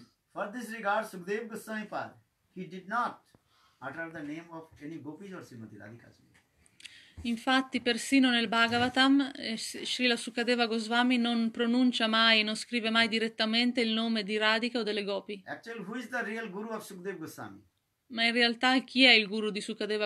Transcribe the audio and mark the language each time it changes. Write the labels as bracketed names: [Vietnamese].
[English] For this regard, Sukadeva Goswami Pada, he did not utter the name of any gopis or Srimati Radhika's name. [Italian] Infatti, persino nel Bhagavatam, Srila Sukadeva Goswami non pronuncia mai, non scrive mai direttamente il nome di Radhika o delle gopi. [English] Actually, who is the real guru of Sukadeva Goswami? [Italian] Ma in realtà chi è il guru di Sukadeva